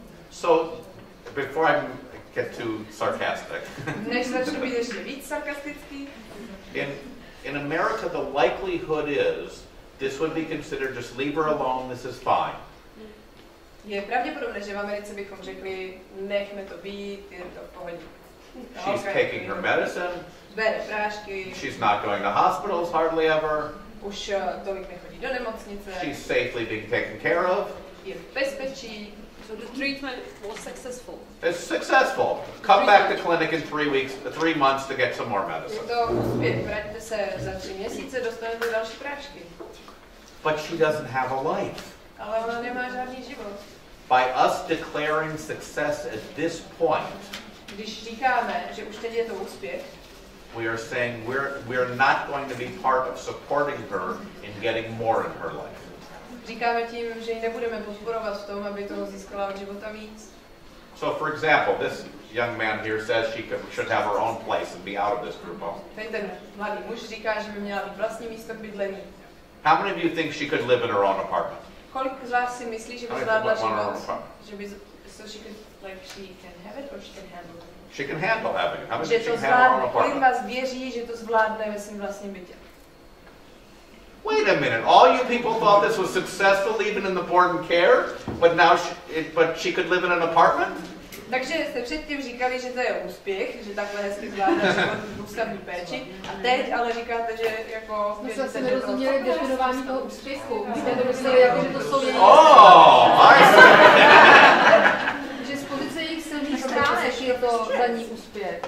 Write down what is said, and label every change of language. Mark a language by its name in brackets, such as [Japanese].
[English] So before I get too sarcastic. [Czech] Než začnu být ještě víc sarkastický. [English] In America, the likelihood is. This would be considered just leave her alone. This is fine. [Czech] Je pravděpodobné, že v Americe bychom řekli nechme to být, je to v pohodě. [English] She's taking her medicine. [Czech] Bere prášky. [English] She's not going to hospitals hardly ever. [Czech] Už tolik nechodí do nemocnice. [English] She's safely being taken care of. [Czech] Je v bezpečí. [English] So the treatment was successful. It's successful. Come back to clinic in 3 months to get some more medicine. [Czech] Je to úspěch. Vraťte se za 3 měsíce, dostanete další prášky. [English] But she doesn't have a life. [Czech] Ale ona nemá žádný život. [English] By us declaring success at this point, [Czech] když říkáme, že už teď je to úspěch, [English] we are saying we're not going to be part of supporting her in getting more in her life. [Czech] Říkáme tím, že ji nebudeme podporovat v tom, aby toho získala od života víc. [English] So for example, this young man here says she should have her own place and be out of this group home. [Czech] Ten mladý muž říká, že by měla mít vlastní místo k bydlení. [English] How many of you think she could live in her own apartment? [Czech] Kolik z vás si myslí, že by zvládla život, že by, [English] so she could, like, she can have it or she can handle it? She can handle having it. How many can handle her own apartment? [Czech] Kolik vás věří, že to zvládne ve svým vlastním bytě? [English] Wait a minute. All you people thought this was successful even in the board and care, but now she could live in an apartment? [Czech] Takže jste předtím říkali, že to je úspěch, že takhle hezky zvládne život v ústavní péči. A teď ale říkáte, že jako... My jsme se nerozuměli definování toho úspěchu. My jsme to mysleli, jako, že to jsou jejich... [English] Oh, I see. [Czech] Že z pozice jejich silných stránek je to za ní úspěch.